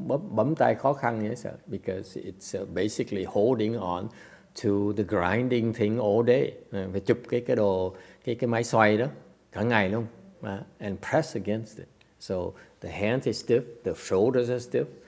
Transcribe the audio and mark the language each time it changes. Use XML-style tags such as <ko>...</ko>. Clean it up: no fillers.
<vi>Bấm tay khó khăn vậy sợ,</vi> <en>because it's basically holding on to the grinding thing all day.</en> <vi>Phải chụp cái máy xoay đó cả ngày luôn,</vi> <en>and press against it. So the hands is stiff, the shoulders are stiff.</en>